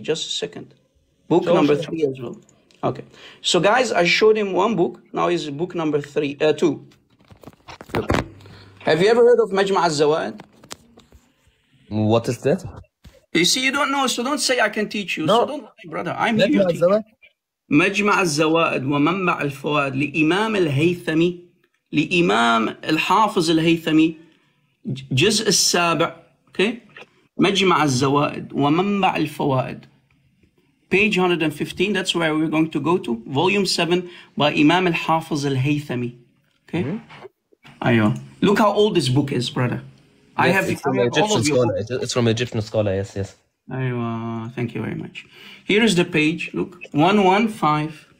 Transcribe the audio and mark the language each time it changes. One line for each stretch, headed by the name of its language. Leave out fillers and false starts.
English: Just a second. Book number three as well. Okay. So guys, I showed him one book. Now is book number two. Okay. Have you ever heard of Majma' al-Zawa'id? What is that? You see, you don't know, so don't say I can teach you. No. So don't lie, brother. I'm here, your teacher.
Arabic: مجمع الزوائد ومنبع الفوائد لإمام الهيثمي لإمام الحافظ الهيثمي جزء السابع.
English: Okay.
Arabic: مجمع الزوائد ومنبع الفوائد.
English: Page 115, that's where we're going to go to. Volume 7 by Imam al-Hafiz al-Haythami. Okay. Ayoh. Look how old this book is, brother. Yes, I have it's from an Egyptian scholar. It's from an Egyptian scholar, yes. Aywa, thank you very much. Here is the page. Look, 115.